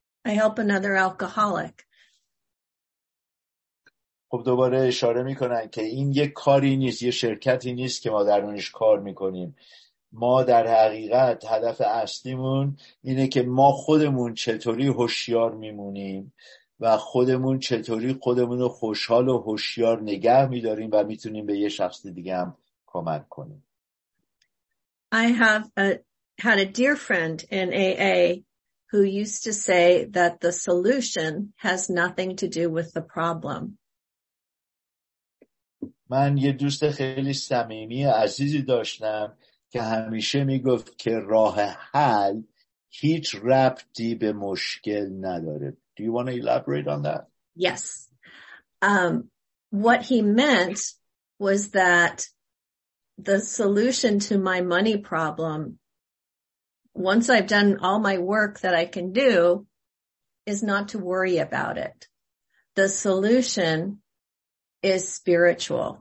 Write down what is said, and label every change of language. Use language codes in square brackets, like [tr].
[en] I help another alcoholic. [fa] خب دوباره اشاره میکنن که این یه کاری نیست، یه شرکتی نیست که ما درونش کار میکنیم. ما در حقیقت هدف اصلیمون اینه که ما خودمون چطوری هوشیار میمونیم و خودمون چطوری خودمون رو خوشحال و هوشیار نگه می‌داریم و می‌تونیم به یه شخص دیگه هم کمک کنیم. [en] I have had a dear friend in AA who used to say that the solution has nothing to do with the problem. [fa] من یه دوست خیلی صمیمی عزیزی داشتم که همیشه میگفت که راه حل هیچ ربطی به مشکل نداره. [en] Do you want to elaborate on that? Yes. What he meant was that the solution to my money problem, once I've done all my work that I can do, is not to worry about it. The solution is spiritual.